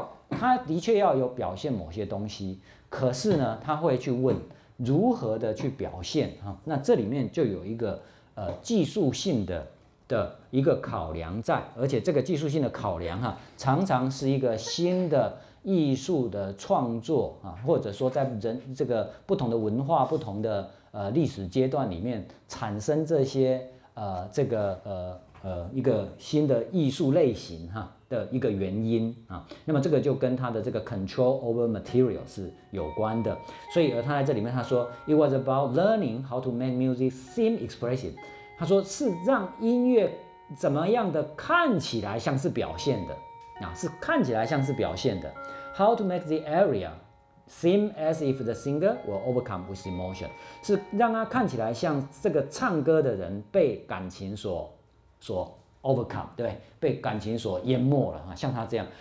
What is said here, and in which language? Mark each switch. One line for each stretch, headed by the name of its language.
Chinese: 他的确要有表现某些东西，可是呢，他会去问如何的去表现、啊、那这里面就有一个技术性的一个考量在，而且这个技术性的考量、啊、常常是一个新的艺术的创作、啊、或者说在人这个不同的文化、不同的历史阶段里面产生这些这个一个新的艺术类型哈的一个原因啊。那么这个就跟他的这个 control over material 是有关的。所以而他在这里面他说
English: ，It was about learning how to make music seem expressive。
Chinese: 他说是让音乐怎么样的看起来像是表现的啊，是看起来像是表现的。
English: How to make the area seem as if the singer were overcome with emotion，
Chinese: 是让他看起来像这个唱歌的人被感情所 overcome， 对，被感情所淹没了，像他这样。